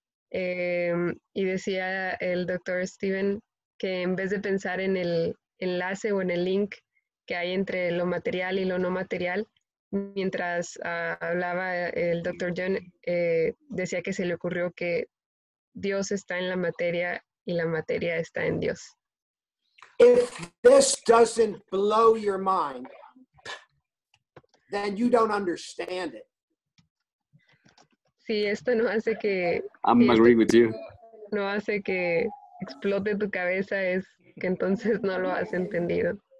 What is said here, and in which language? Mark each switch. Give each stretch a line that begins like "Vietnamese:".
Spanish: Y decía el doctor Steven que en vez de pensar en el enlace o en el link que hay entre lo material y lo no material, mientras hablaba el doctor John, decía que se le ocurrió que Dios está en la materia y la materia está en Dios.
English: If this doesn't blow your mind, then you don't understand it.
Spanish: Si esto no hace que...
English: I'm agree with you.
Spanish: No hace que explote tu cabeza, es que entonces no lo has entendido.